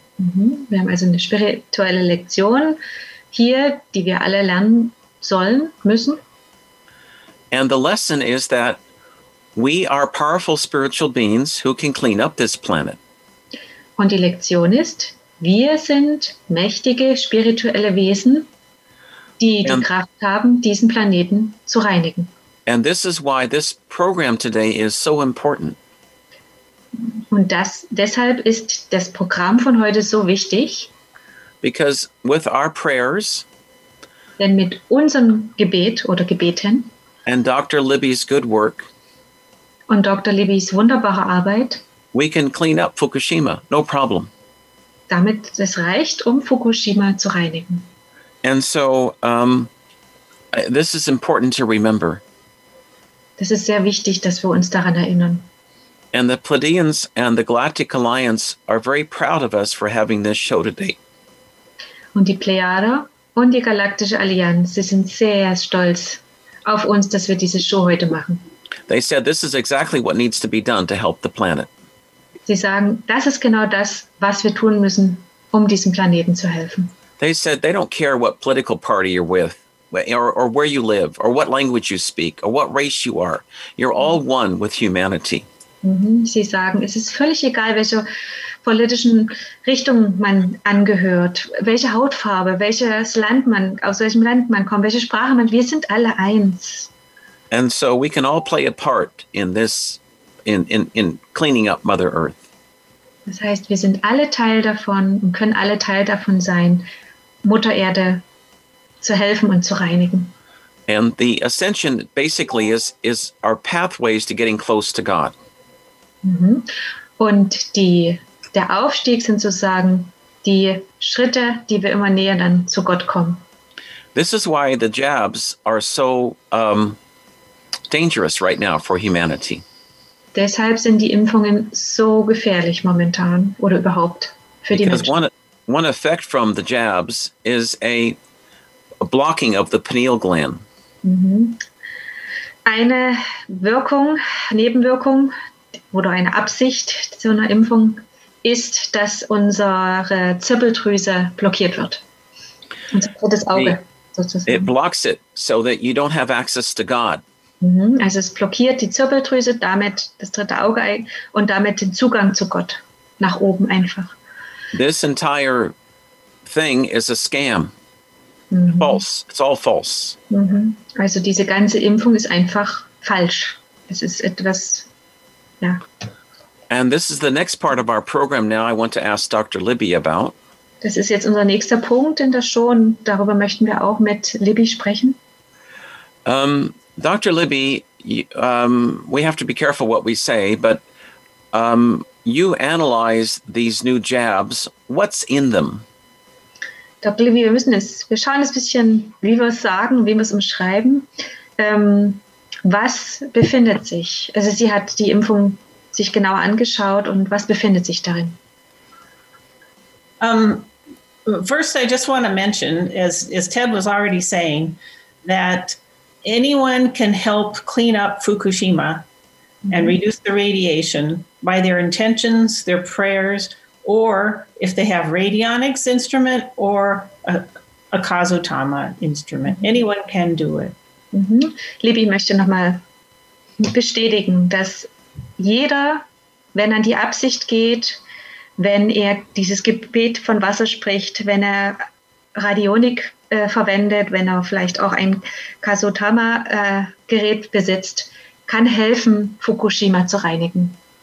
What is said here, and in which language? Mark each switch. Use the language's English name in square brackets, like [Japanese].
[German] Wir haben also eine spirituelle Lektion hier, die wir alle lernen sollen, müssen. [English] And the lesson is that we are powerful spiritual beings who can clean up this planet. [German] Und die Lektion ist, wir sind mächtige spirituelle Wesen, die Kraft haben, diesen Planeten zu reinigen. [English] And this is why this program today is so important. [German] Und das deshalb ist das Programm von heute so wichtig. [English] Because with our prayers, [German] denn mit unserem Gebet oder Gebeten [English] and Dr. Libby's good work, [German] und Dr. Libby's wunderbare Arbeit, [English] we can clean up Fukushima, no problem. [German] Damit es reicht, um Fukushima zu reinigen. [English] And so this is important to remember. [German] Das ist sehr wichtig, dass wir uns daran erinnern. [English] And the Pleiadians and the Galactic Alliance are very proud of us for having this show today. [German] Und die Plejada und die Galaktische Allianz, sie sind sehr stolz auf uns, dass wir diese Show heute machen. [English] They said this is exactly what needs to be done to help the planet. [German] Sie sagen, das ist genau das, was wir tun müssen, um diesem Planeten zu helfen. [English] They said they don't care what political party you're with, or where you live, or what language you speak, or what race you are. You're all one with humanity. [German] Sie sagen, es ist völlig egal, welche politischen Richtung man angehört, welche Hautfarbe, welches Land man, aus welchem Land man kommt, welche Sprache man, wir sind alle eins. [English] And so we can all play a part in this, in cleaning up Mother Earth. [German] Das heißt, wir sind alle Teil davon und können alle Teil davon sein, Mutter Erde zu helfen und zu reinigen. [English] And the ascension basically is our pathways to getting close to God. Mhm. [German] Und der Aufstieg sind sozusagen die Schritte, die wir immer näher dann zu Gott kommen. [English] This is why the jabs are so dangerous right now for humanity. [German] Deshalb sind die Impfungen so gefährlich momentan oder überhaupt für die Menschen. [English] Because one effect from the jabs is a blocking of the pineal gland. [German] Eine Wirkung, Nebenwirkung oder eine Absicht zu einer Impfung ist, dass unsere Zirbeldrüse blockiert wird. Unser drittes Auge sozusagen. [English] It blocks it so that you don't have access to God. [German] Also es blockiert die Zirbeldrüse, damit das dritte Auge und damit den Zugang zu Gott nach oben einfach. [English] This entire thing is a scam. False. It's all false. [German] Also diese ganze Impfung ist einfach falsch. Es ist etwas, ja. [English] And this is the next part of our program now I want to ask Dr. Libby about. [German] Das ist jetzt unser nächster Punkt in der Show und darüber möchten wir auch mit Libby sprechen. [English] Dr. Libby, we have to be careful what we say, but you analyze these new jabs. What's in them? [German] Dr. Libby, wir schauen ein bisschen, wie wir es sagen, wie wir es umschreiben. Was befindet sich? Also sie hat die Impfung sich genauer angeschaut und was befindet sich darin? [English] First, I just want to mention, as Ted was already saying, that anyone can help clean up Fukushima and reduce the radiation by their intentions, their prayers, or if they have radionics instrument or a Kazutama instrument. Anyone can do it. Mm-hmm. [German] Libby möchte nochmal bestätigen, dass jeder, wenn an die Absicht geht, wenn er dieses Gebet von Wasser spricht, wenn er Radionik verwendet, wenn er vielleicht auch ein Kazutama-Gerät besitzt, kann helfen, Fukushima zu reinigen.